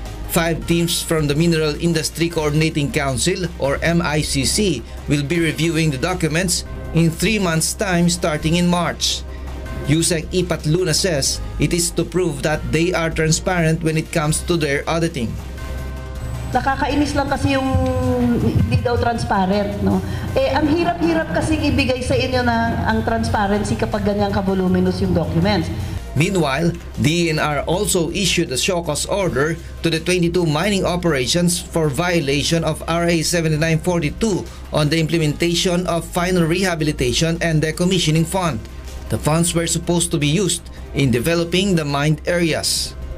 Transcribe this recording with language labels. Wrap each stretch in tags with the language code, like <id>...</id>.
<en>5 teams from the Mineral Industry Coordinating Council, or MICC, will be reviewing the documents in 3 months' time starting in March. Yusek Ipat Luna says it is to prove that they are transparent when it comes to their auditing.</en> <tl>Nakakainis lang kasi yung hindi daw transparent, no? Ang hirap-hirap kasi ibigay sa inyo na ang transparency kapag ganyang kavoluminous yung documents.</tl> <en>Meanwhile, DENR also issued a show cause order to the 22 mining operations for violation of RA 7942 on the implementation of final rehabilitation and decommissioning fund. The funds were supposed to be used in developing the mined areas.</en>